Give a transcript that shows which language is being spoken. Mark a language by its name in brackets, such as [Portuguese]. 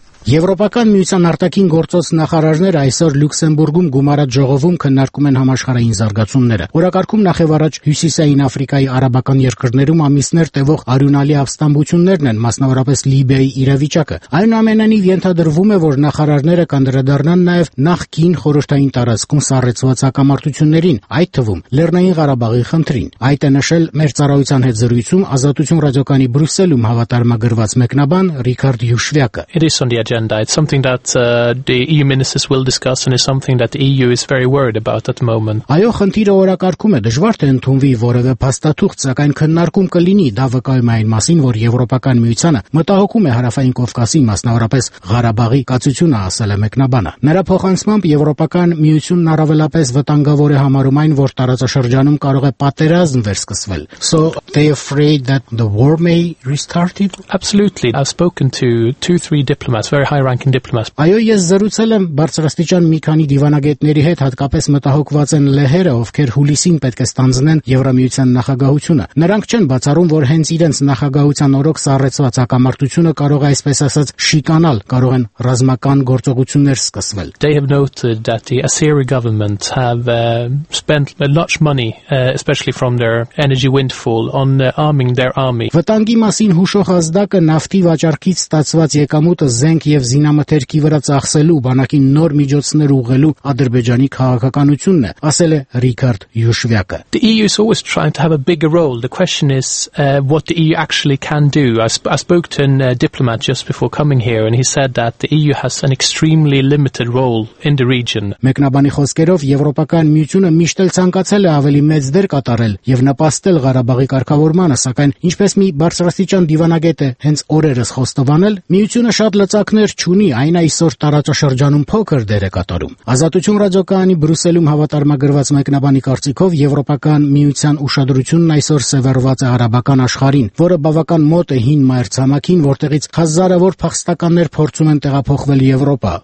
[Armenian] Եվրոպական միության արտաքին գործոց նախարարները այսօր Լյուքսեմբուրգում գումարած ժողովում քննարկում են համաշխարհային զարգացումները։ Օրակարգում նախևառաջ Հյուսիսային Աֆրիկայի արաբական երկրներում ամիսներ տևող արյունալի ավստամբություններն են, մասնավորապես Լիբիայի իրավիճակը։ Այնուամենայնիվ ենթադրվում է, որ նախարարները կանդրադառնան նաև նախկին խորհրդային տարածքում սառեցված հակամարտություններին, այդ թվում Լեռնային Ղարաբաղի խնդրին։ Այդ է նշել մեր ծառայության հետ զրույցում Ազատություն ռադիոկանի Բրյուսելում հավատարմագրված մեկնաբան Ռիկարդ Յուշվյակը։ [English] Agenda. It's something that the EU ministers will discuss and is something that the EU is very worried about at the moment. [Armenian] Այո, խնդիրը օրակարգում է դժվար թե ընդունվի որևէ փաստաթուղթ, սակայն քննարկում կլինի դա վկայում այն մասին, որ Եվրոպական միությունը մտահոգում է Հարավային Կովկասի, մասնավորապես Ղարաբաղի կացությունը, ասել է մեկնաբանը։ Նրա փոխանցմամբ Եվրոպական միությունն առավելապես վտանգավոր է համարում այն, որ տարածաշրջանում կարող է պատերազմ վերսկսվել։ [English] So they afraid that the war may restart it? Absolutely. I've spoken to 2-3 diplomats. Very high-ranking diplomats. [Armenian] Այո, ես զրուցել եմ բարձրաստիճան մի քանի դիվանագետների հետ, հատկապես մտահոգված են լեհերը, ովքեր հուլիսին պետք է ստանձնեն Եվրամիության նախագահությունը։ Նրանք չեն բացառում, որ հենց իրենց նախագահության օրոք սառեցված հակամարտությունը կարող է, այսպես ասած, շիկանալ, կարող են ռազմական գործողություններ սկսվել։ [English] They have noted that the Assyri government have spent a lot of money, especially from their energy windfall, on arming their army. [Armenian] Վտանգի մասին հուշող ազդակը նավթի վաճառքից ստացված եկամուտը զենք եւ զինամթերքի վրա ծախսելու բանակի նոր միջոցներ ուղղելու ադրբեջանի քաղաքականությունն է, ասել է Ռիկարդ Յուշվյակը. [English] The EU is always trying to have a bigger role. The question is what the EU actually can do. I spoke to a diplomat just before coming here and he said that the EU has an extremely limited role in the region. [Armenian] Մեկնաբանի խոսքերով եվրոպական միությունը միշտ էլ ցանկացել է ավելի մեծ դեր կատարել եւ նպաստել Ղարաբաղի կարգավորմանը, սակայն ինչպես մի բարձրաստիճան դիվանագետ է հենց օրերս խոստովանել, միությունը շատ լծակներ չունի, այն այսօր տարածաշրջանում փոքր դեր է կատարում։ Ազատություն ռադիոկայանի Բրյուսելում հավատարմագրված մեկնաբանի կարծիքով եվրոպական միության ուշադրությունն այսօր սևեռված է արաբական աշխարհին, որը բավական մոտ է հին մայր ցամաքին, որտեղից հազարավոր փախստականներ փորձում են տեղափոխվել Եվրոպա։